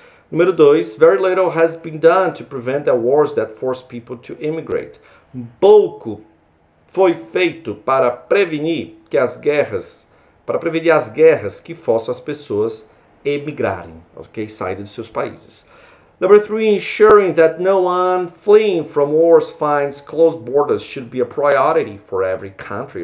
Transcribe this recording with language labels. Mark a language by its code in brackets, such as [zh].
[pt] Número dois, [en] very little has been done to prevent the wars that force people to immigrate. [pt] Pouco foi feito para prevenir que as guerras, para prevenir as guerras que forçam as pessoas emigrarem, ok? Saírem dos seus países. [en] Number three, ensuring that no one fleeing from wars finds closed borders should be a priority for every country.